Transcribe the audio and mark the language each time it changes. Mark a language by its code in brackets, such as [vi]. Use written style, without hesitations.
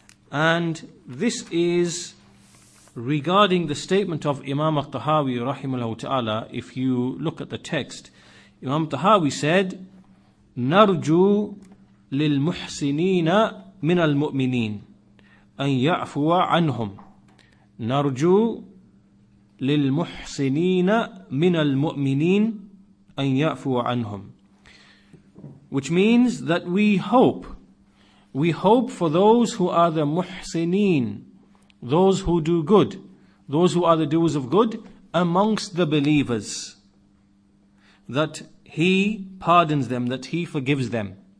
[en] And this is regarding the statement of Imam al-Tahawi rahimahullah ta'ala. If you look at the text, Imam al-Tahawi said, [ar] نرجو للمحسنين من المؤمنين أن يعفو عنهم. نرجو للمحسنين من المؤمنين أن يعفو عنهم. [en] Which means that we hope for those who are the muhsineen, those who do good, those who are the doers of good amongst the believers, that he pardons them, that he forgives them.